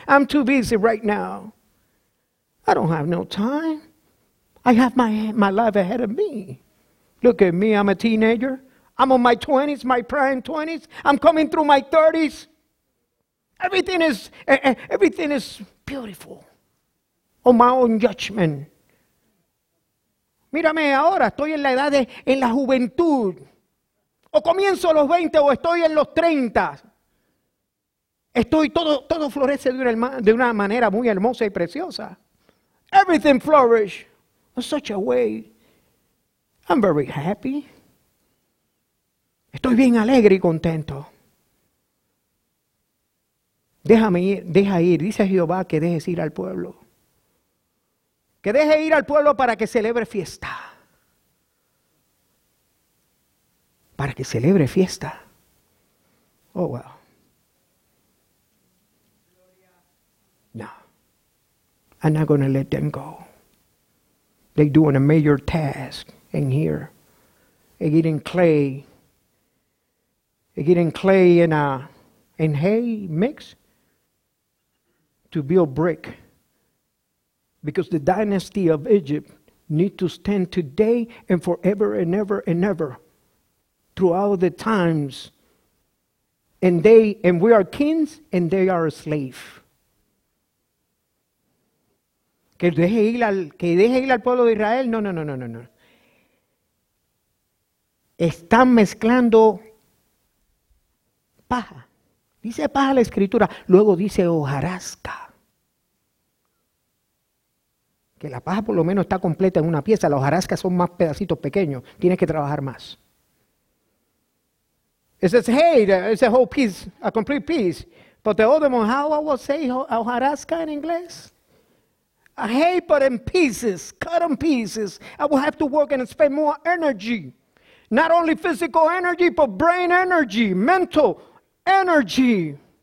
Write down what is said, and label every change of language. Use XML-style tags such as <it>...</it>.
<en>I'm too busy right now. I don't have no time. I have my life ahead of me. Look at me, I'm a teenager. I'm on my 20s, my prime 20s. I'm coming through my 30s. Everything is beautiful. On my own judgment.</en> <es>Mírame ahora, estoy en la edad de, en la juventud. O comienzo a los 20 o estoy en los 30. Estoy todo florece de una manera muy hermosa y preciosa.</es> <en>Everything flourish in such a way. I'm very happy.</en> <es>Estoy bien alegre y contento. Déjame ir, deja ir, dice Jehová, que dejes ir al pueblo. Que deje ir al pueblo para que celebre fiesta. Para que celebre fiesta.</es> <en>Oh, wow.</en> <es>No.</es> <en>I'm not going to let them go. They're doing a major task in here. They're getting clay and hay mix to build brick. Because the dynasty of Egypt need to stand today and forever and ever and ever. Throughout the times, and we are kings, and they are slaves.</en> <es>Que deje ir al pueblo de Israel. No. Están mezclando paja. Dice paja la escritura. Luego dice hojarasca. Que la paja por lo menos está completa en una pieza. Las hojarascas son más pedacitos pequeños. Tienes que trabajar más.</es> <en>It says, hey, it's a whole piece, a complete piece. But the other one, how I would say hojarasca in English? A hay, but in pieces, cut in pieces. I will have to work and spend more energy. Not only physical energy, but brain energy, mental energy.</en>